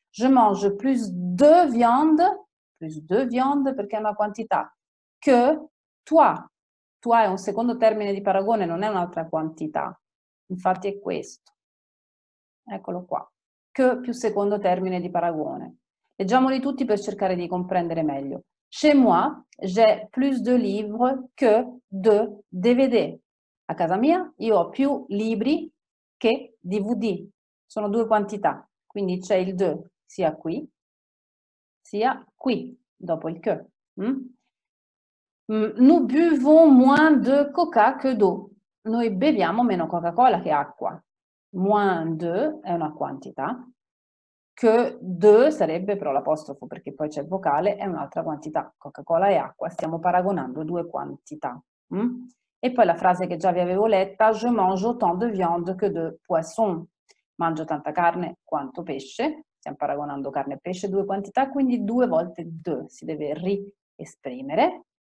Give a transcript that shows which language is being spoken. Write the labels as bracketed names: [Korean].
[French] Je mange plus de viande [Italian] perché è una quantità, che [French] toi. [Italian] Toi è un secondo termine di paragone, non è un'altra quantità. Infatti è questo. Eccolo qua. Che più secondo termine di paragone. Leggiamoli tutti per cercare di comprendere meglio. [French] Chez moi, j'ai plus de livres que de DVD. [Italian] A casa mia, io ho più libri che DVD. Sono due quantità, quindi c'è il de sia qui, dopo il que. [French] Nous buvons moins de coca que d'eau. [Italian] Noi beviamo meno Coca-Cola che acqua. Moins de è una quantità. Che de sarebbe però l'apostrofo perché poi c'è il vocale, è un'altra quantità, Coca-Cola e acqua, stiamo paragonando due quantità. E poi la frase che già vi avevo letta, [French] je mange autant de viande que de poisson, [Italian] mangio tanta carne quanto pesce, stiamo paragonando carne e pesce, due quantità, quindi due volte de si deve riesprimere.